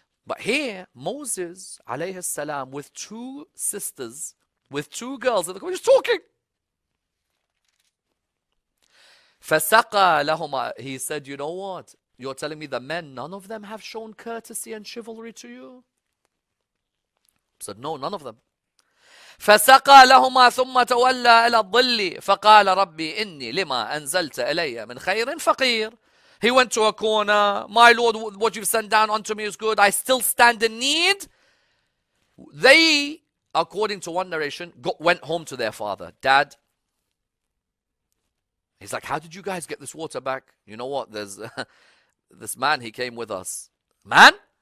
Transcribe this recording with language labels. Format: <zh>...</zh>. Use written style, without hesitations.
<en>But here, Moses, alayhi salam, with two sisters, with two girls in the community, is talking.</en> <ar>فَسَقَى لَهُمَا.</ar> <en>He said, you know what? You're telling me the men, none of them have shown courtesy and chivalry to you? Said, no, none of them.</en> <ar>فسقى لهما ثم تولى إلى الظل فقال ربي إني لما أنزلت إلي من خير فقير.</ar> <en>He went to a corner. My Lord, what you've sent down unto me is good. I still stand in need. They, according to one narration, went home to their father. Dad. He's like, how did you guys get this water back? You know what? There's this man, he came with us. Man?</en>